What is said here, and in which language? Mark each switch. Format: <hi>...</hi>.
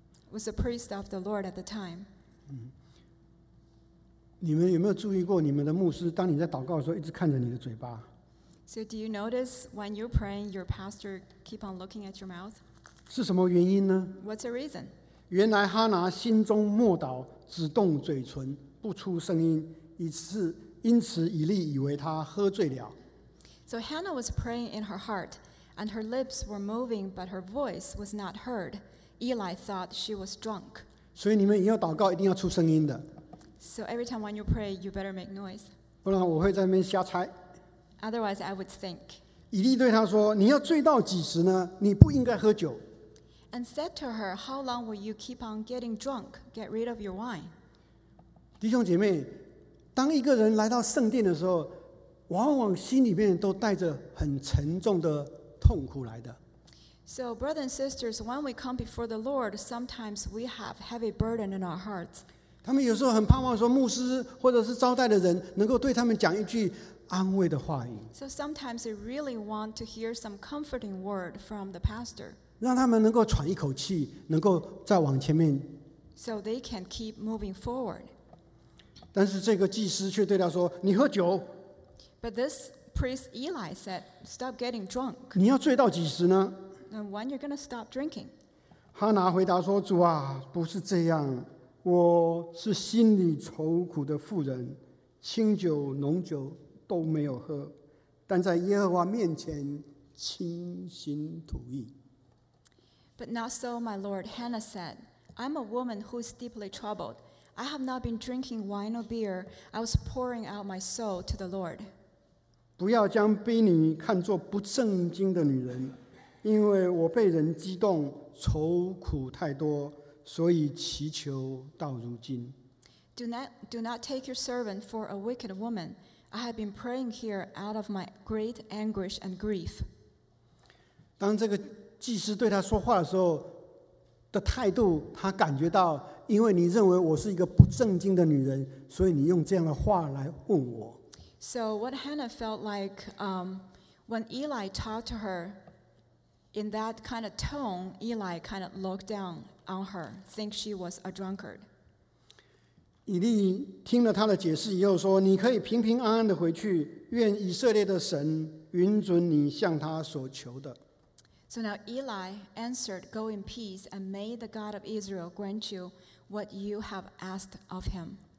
<en>Was a priest of the Lord at the time.</en> <zh>你们有没有注意过你们的牧师当你在祷告的时候一直看着你的嘴巴？</zh> <en>So do you notice when you're praying, your pastor keep on looking at your mouth?</en> <zh>是什么原因呢？</zh> <en>What's the reason?</en> <zh>原来哈拿心中默祷，只动嘴唇，不出声音，因此以利以为他喝醉了。</zh> <en>So Hannah was praying in her heart, and her lips were moving, but her voice was not heard. Eli thought she was drunk.</en> <zh>所以你们以后祷告一定要出声音的。</zh> <en>So every time when you pray, you better make noise.</en> <zh>不然我会在那边瞎猜。</zh> <en>Otherwise, I would think.</en> <zh>以利对他说：“你要醉到几时呢？你不应该喝酒。”</zh> <en>And said to her, "How long will you keep on getting drunk? Get rid of your wine."</en> <zh>弟兄姐妹，当一个人来到圣殿的时候，往往心里面都带着很沉重的痛苦来的。</zh> <en>So, brothers and sisters, when we come before the Lord, sometimes we have heavy burden in our hearts.</en> <zh>他们有时候很盼望说牧师或者是招待的人能够对他们讲一句安慰的话语。</zh> <en>So sometimes they really want to hear some comforting word from the pastor.</en> <zh>让他们能够喘一口气，能够再往前面。</zh> <en>So they can keep moving forward.</en> <zh>但是这个祭司却对他说：“你喝酒。”</zh> <en>But this priest Eli said, "Stop getting drunk."</en> <zh>你要醉到几时呢？</zh> <en>And when you're going to stop drinking?</en> <zh>哈拿回答说：“主啊，不是这样，我是心里愁苦的妇人，清酒浓酒都没有喝，但在耶和华面前倾心吐意。”</zh> <en>But not so, my Lord, Hannah said, "I'm a woman who is deeply troubled. I have not been drinking wine or beer. I was pouring out my soul to the Lord."</en> <zh>不要将婢女看作不正经的女人。因为我被人激动，愁苦太多，所以祈求到如今。</zh> <en>Do not take your servant for a wicked woman. I have been praying here out of my great anguish and grief.</en> <zh>当这个祭司对他说话的时候的态度，他感觉到，因为你认为我是一个不正经的女人，所以你用这样的话来问我。</zh> <en>So what Hannah felt like, when Eli talked to her. In that kind of tone, Eli kind of looked down on her, think she was a drunkard.</en> <zh>以利听了他的解释以后说：“你可以平平安安的回去，愿以色列的神允准你向他所求的。”</zh> <en>So now Eli answered, "Go in peace, and may the God of Israel grant you what you have asked of him."</en>